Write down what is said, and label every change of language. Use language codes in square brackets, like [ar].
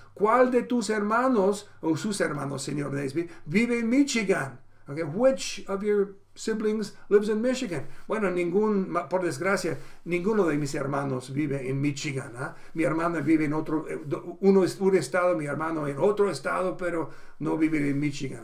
[es] ¿Cuál de tus hermanos, o sus hermanos, señor Naseby, vive en Michigan? [en] Okay, which of your siblings lives in Michigan? [es] Bueno, por desgracia, ninguno de mis hermanos vive en Michigan. Mi hermana vive en otro, un estado, mi hermano en otro estado, pero no vive en Michigan.